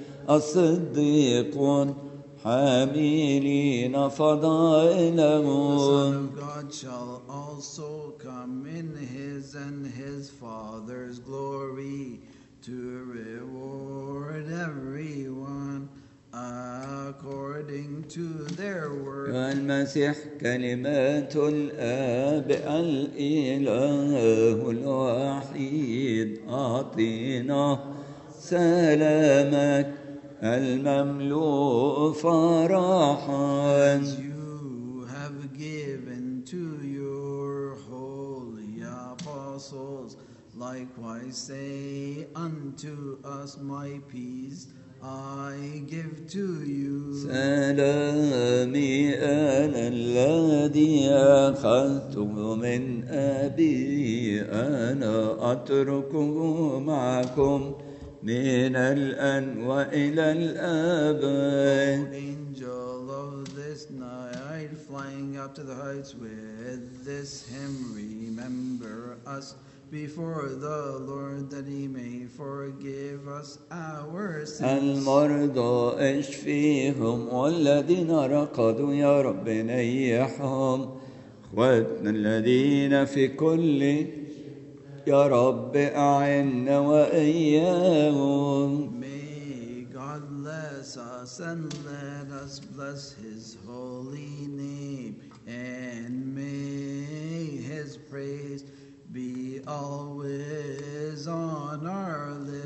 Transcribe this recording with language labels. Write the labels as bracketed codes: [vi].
[ar] الصديقون حاملين فضائلهم. [en] The Son of God shall also come in his and his Father's glory to reward everyone according to their work. [ar] والمسيح كلمة الآب الإله الوحيد أعطينا سلامك المملوء فرحا. [en] As you have given to your holy apostles, likewise say unto us, my peace I give to you. [ar] سلامي أنا الذي أخذته من أبي أنا أتركه معكم من الآن وإلى الأبد. [en] O angel of this night, flying up to the heights with this hymn, remember us before the Lord that he may forgive us our sins. [ar] المرضى اشفيهم والذين رقدوا يا رب نيحهم واتنا الذين في كل يا رب أعنا وإياهم. [en] May God bless us and let us bless his holy name and may his praise be always on our lips.